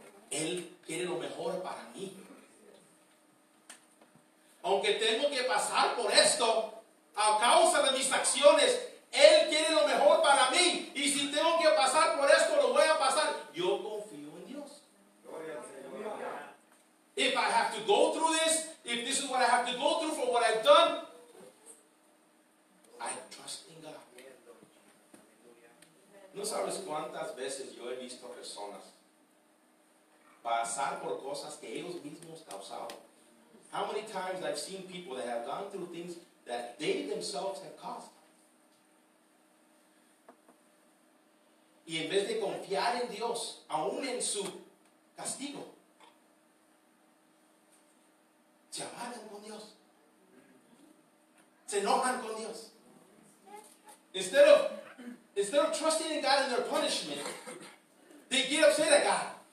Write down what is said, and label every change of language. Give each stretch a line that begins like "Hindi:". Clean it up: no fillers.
Spanish: Él quiere lo mejor para mí. Aunque tengo que pasar por esto, a causa de mis acciones, Él quiere lo mejor para mí. Y si tengo que pasar por esto, lo voy a pasar. Yo confío en Dios.
English: If I have to go through this, if this is what I have to go through for what I've done, I trust in God.
Spanish: No sabes cuántas veces yo he visto personas pasar por cosas que ellos mismos causaron.
English: How many times I've seen people that have gone through things that they themselves have caused.
Spanish: Y en vez de confiar en Dios, aún en su castigo, se amargan con Dios. Se enojan con Dios.
English: Instead of trusting in God in their punishment, they get upset at God.